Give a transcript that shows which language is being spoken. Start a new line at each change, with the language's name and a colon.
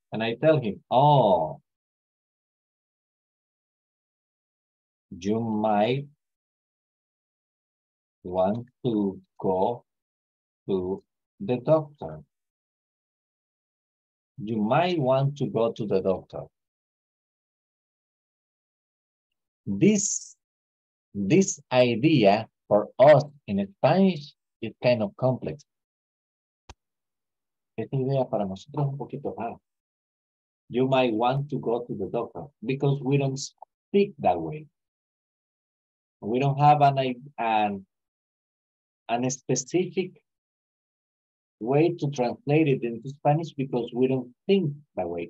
English: And I tell him, oh, you might want to go to the doctor. You might want to go to the doctor. This idea for us in Spanish is kind of complex.
Spanish: Esta idea para nosotros es un poquito rara.
English: You might want to go to the doctor because we don't speak that way. We don't have an specific way to translate it into Spanish because we don't think that way.